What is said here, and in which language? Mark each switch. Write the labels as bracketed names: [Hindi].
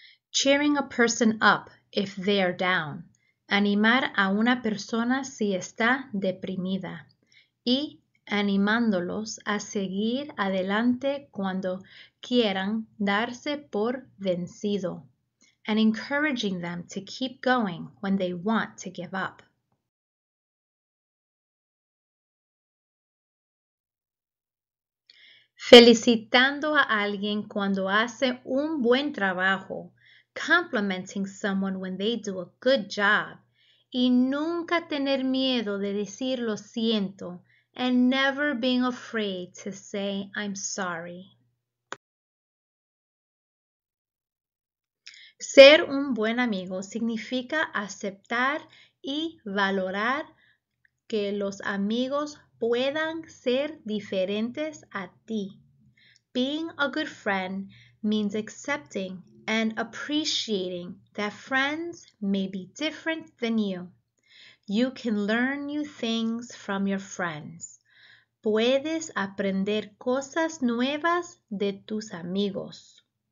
[English] Cheering a person up if they are down. [Spanish] Animar a una persona si está deprimida. Y animándolos a seguir adelante cuando quieran darse por vencido. [English] And encouraging them to keep going when they want to give up. [Spanish] Felicitando a alguien cuando hace un buen trabajo. [English] Complimenting someone when they do a good job. [Spanish] Y nunca tener miedo de decir lo siento. [English] And never being afraid to say I'm sorry. [Spanish] Ser un buen amigo significa aceptar y valorar que los amigos puedan ser diferentes a ti. [English] Being a good friend means accepting and appreciating that friends may be different than you. You can learn new things from your friends. [Spanish] Puedes aprender cosas nuevas de tus amigos.